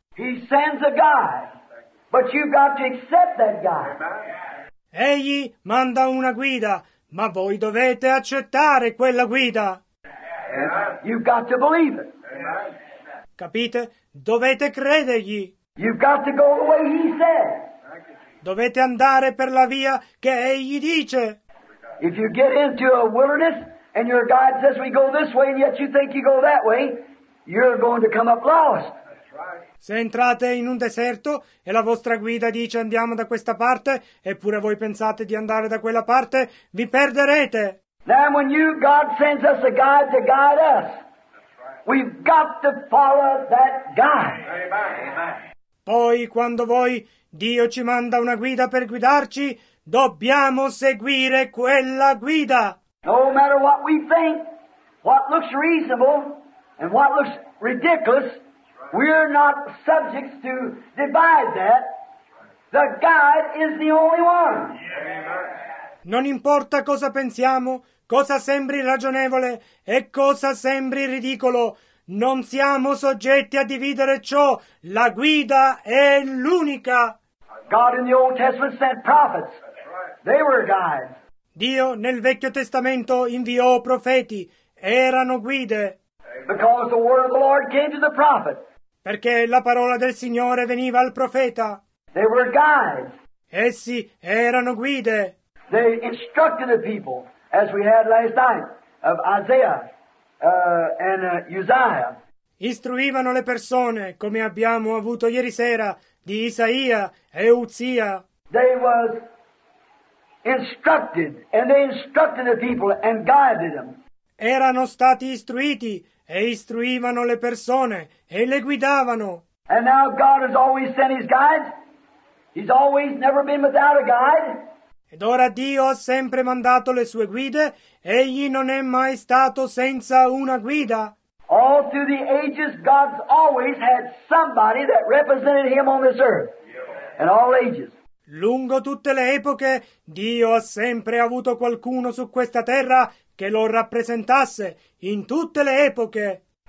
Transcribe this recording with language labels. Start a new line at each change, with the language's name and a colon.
English: He sends a guide, but you've got to accept that guide.
Italian: Egli manda una guida, ma voi dovete accettare quella guida.
English: You've got to believe it.
Italian: Capite? Dovete credergli.
English: You've got to go the way he said.
Italian: Dovete andare per la via che egli dice.
English: If you get into a wilderness and your guide says we go this way and yet you think you go that way, you're going to come up lost.
Italian: Se entrate in un deserto e la vostra guida dice andiamo da questa parte, eppure voi pensate di andare da quella parte, vi perderete.
English: Now when you, God sends us a guide to guide us, we've got to follow that guide.
Italian: Poi quando voi, Dio ci manda una guida per guidarci, dobbiamo seguire quella guida.
English: No matter what we think, what looks reasonable and what looks ridiculous, we're not subjects to divide that. The guide is the only one.
Italian: Non importa cosa pensiamo, cosa sembri ragionevole e cosa sembri ridicolo, non siamo soggetti a dividere ciò. La guida è l'unica.
English: God in the Old Testament sent prophets. They were guides.
Italian: Dio nel Vecchio Testamento inviò profeti. Erano guide.
English: Because the word of the Lord came to the prophet.
Italian: Perché la parola del Signore veniva al profeta.
English: They were guides.
Italian: Essi erano guide.
English: They instructed the people, as we had last night, of Isaiah and Uzziah.
Italian: Istruivano le persone, come abbiamo avuto ieri sera, di Isaia e Uzzia.
English: They were instructed, and they instructed the people and guided them.
Italian: Erano stati istruiti e istruivano le persone e le guidavano.
English: And now God has always sent his guides. He's always never been without a guide.
Italian: Ed ora Dio ha sempre mandato le sue guide. Egli non è mai stato senza una guida.
English: All through the ages, God's always had somebody that represented him on this earth. In all ages.
Italian: Lungo tutte le epoche, Dio ha sempre avuto qualcuno su questa terra che lo rappresentasse in tutte le epoche.